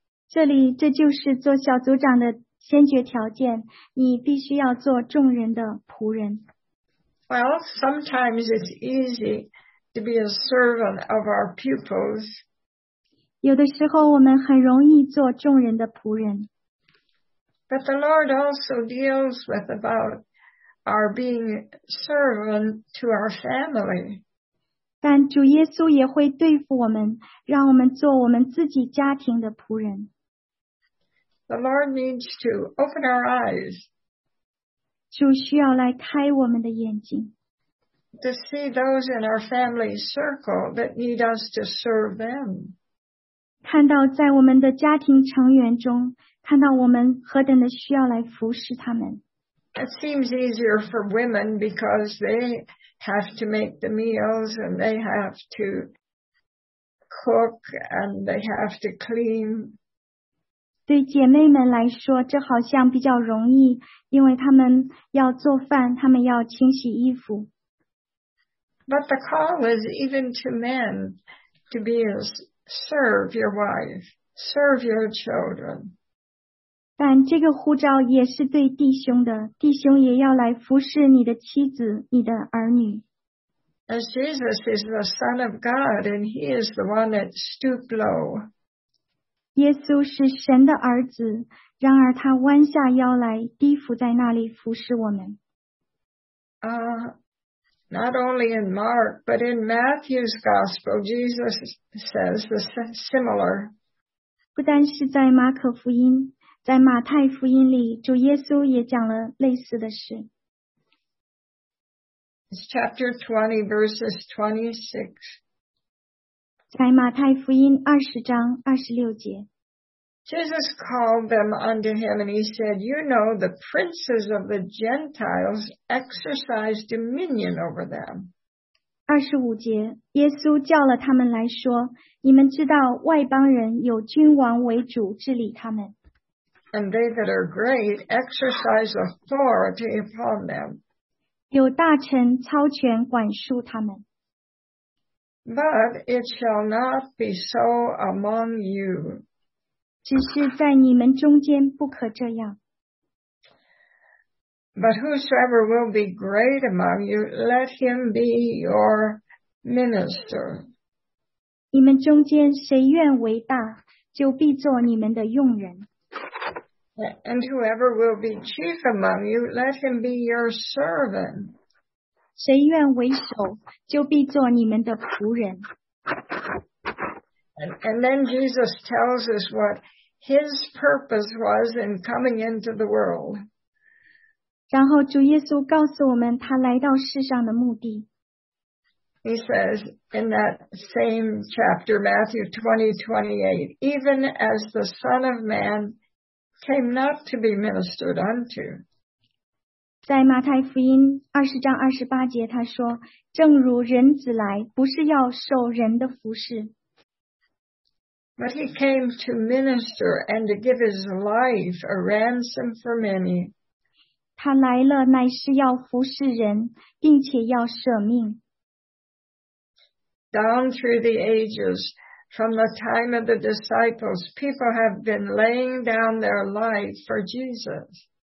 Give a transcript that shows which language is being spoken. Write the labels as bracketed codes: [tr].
[zh] 这就是做小组长的先决条件，你必须要做众人的仆人。 [en] Well, sometimes it's easy to be a servant of our pupils. [zh] 有的时候我们很容易做众人的仆人。 [en] But the Lord also deals with about. Are being servant to our family. [zh] 但主耶稣也会对付我们，让我们做我们自己家庭的仆人。 [en] The Lord needs to open our eyes. [zh] 主需要来开我们的眼睛。 [en] To see those in our family circle that need us to serve them. [zh] 看到在我们的家庭成员中，看到我们何等的需要来服侍他们。 [en] It seems easier for women because they have to make the meals and they have to cook and they have to clean. [zh] 对姐妹们来说，这好像比较容易，因为她们要做饭，她们要清洗衣服。 [en] But the call is even to men to be a serve your wife, serve your children. [zh] 但这个呼召也是对弟兄的，弟兄也要来服侍你的妻子，你的儿女。 [en] As Jesus is the Son of God, and He is the one that stooped low. [zh] 耶稣是神的儿子，然而他弯下腰来，低伏在那里服侍我们。 [en] Not only in Mark, but in Matthew's Gospel, Jesus says the similar. [zh] 不单是在马可福音。在马太福音里，主耶稣也讲了类似的事。 [en] It's chapter 20, verses 26. [zh] 在马太福音二十章二十六节。 [en] Jesus called them unto him, and he said, You know the princes of the Gentiles exercise dominion over them. [zh] 二十五节，耶稣叫了他们来说，你们知道外邦人有君王为主治理他们。 [en] And they that are great exercise authority upon them. [zh] 有大臣操权管束他们。 [en] But it shall not be so among you. [zh] 只是在你们中间不可这样。 [en] But whosoever will be great among you, let him be your minister. [zh] 你们中间谁愿为大，就必做你们的用人。 [en] And whoever will be chief among you, let him be your servant. [zh] 谁愿为首，就必做你们的仆人。 [en] And then Jesus tells us what his purpose was in coming into the world. [zh] 然后主耶稣告诉我们他来到世上的目的。 [en] He says in that same chapter, Matthew 20:28, even as the Son of Man came not to be ministered unto. [zh] 在马太福音20:28，他说：“正如人子来，不是要受人的服侍。” [en] But he came to minister and to give his life a ransom for many. [zh] 他来了，乃是要服侍人，并且要舍命。 [en] Down through the ages, from the time of the disciples, people have been laying down their life for Jesus.